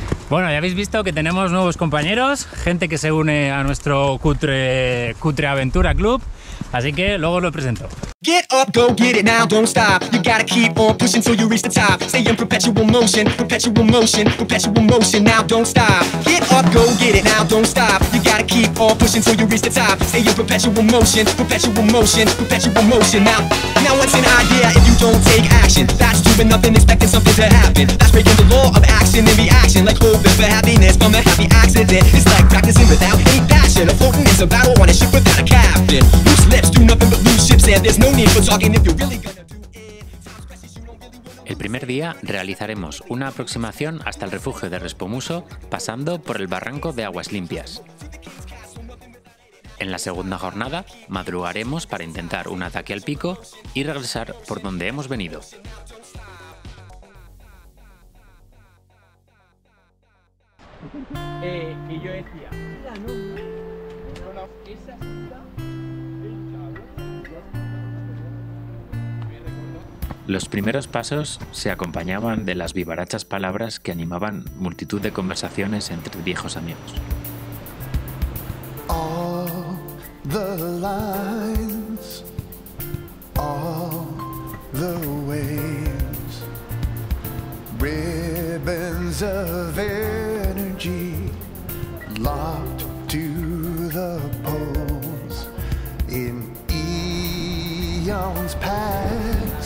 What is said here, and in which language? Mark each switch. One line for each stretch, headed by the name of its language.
Spanish: Bueno, ya habéis visto que tenemos nuevos compañeros, gente que se une a nuestro cutre aventura club. Así que luego os lo presento.
English: Get up, go get it now, don't stop. You gotta keep on pushing till you reach the top. Stay in perpetual motion, perpetual motion, perpetual motion, now don't stop. Get up, go get it now, don't stop. You gotta keep on pushing till you reach the top. Stay in perpetual motion, perpetual motion, perpetual motion, now. Now what's an idea if you don't take action? That's doing nothing, expecting something to happen. That's breaking the law of action and reaction. Like hoping for happiness from a happy accident. It's like practicing without any passion. A floating is a battle on a ship without a captain. Loose lips do nothing but loose ships and there's no need for talking if you're really gonna.
Spanish: El primer día realizaremos una aproximación hasta el refugio de Respomuso, pasando por el barranco de Aguas Limpias. En la segunda jornada, madrugaremos para intentar un ataque al pico y regresar por donde hemos venido. Y yo decía, los primeros pasos se acompañaban de las vivarachas palabras que animaban multitud de conversaciones entre viejos amigos.
English: All the lines, all the waves, ribbons of energy locked to the poles in eons past.